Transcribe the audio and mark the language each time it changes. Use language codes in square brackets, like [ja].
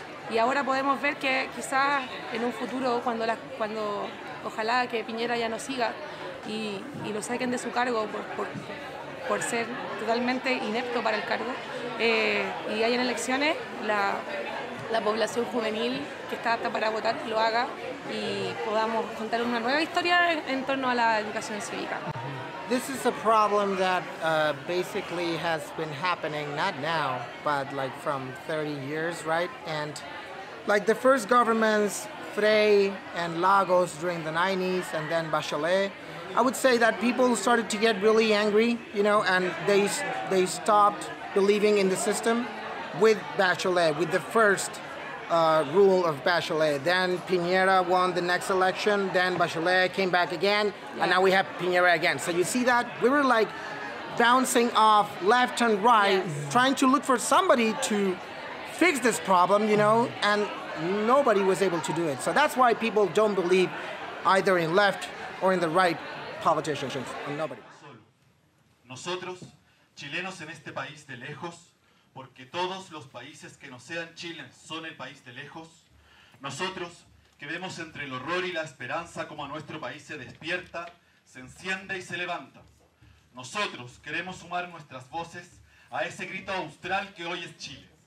[es] Y ahora podemos ver que quizás en un futuro, cuando ojalá que Piñera ya no siga y lo saquen de su cargo por ser totalmente inepto para el cargo, y hay en elecciones, la población juvenil que está apta para votar lo haga y podamos contar una nueva historia en torno a la educación cívica. [en] This is a problem that basically has been happening, not now, but like from 30 years, right? And like the first governments, Frei and Lagos during the 90s, and then Bachelet, I would say that people started to get really angry, you know, and they stopped believing in the system with Bachelet, with the first rule of Bachelet. Then Piñera won the next election, then Bachelet came back again, and now we have Piñera again. So you see that? We were like bouncing off left and right, trying to look for somebody to fix this problem, you know, and nobody was able to do it. So that's why people don't believe either in left or in the right politicians, and nobody. [es] Nosotros, chilenos en este país de lejos, porque todos los países que no sean Chile son el país de lejos, nosotros, que vemos entre el horror y la esperanza como a nuestro país se despierta, se enciende y se levanta. Nosotros queremos sumar nuestras voces a ese grito austral que hoy es Chile.